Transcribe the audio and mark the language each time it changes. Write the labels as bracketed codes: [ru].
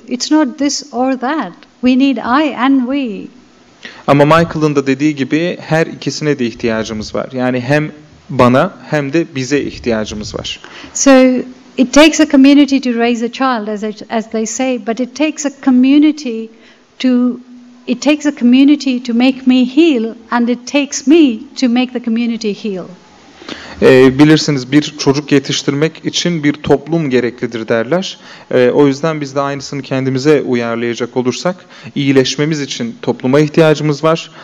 [en] It's not this or that. We need I and we. [tr] Ama Michael'ın da dediği gibi her ikisine de ihtiyacımız var. Yani hem bana hem de bize ihtiyacımız var. [en] So it takes a community to raise a child as they say, but it takes a community to It takes a community to make me heal and it takes me to make the community heal. [tr] Bilirsiniz bir çocuk yetiştirmek için bir toplum gereklidir derler. O yüzden biz de aynısını kendimize uyarlayacak olursak iyileşmemiz için topluma ihtiyacımız var.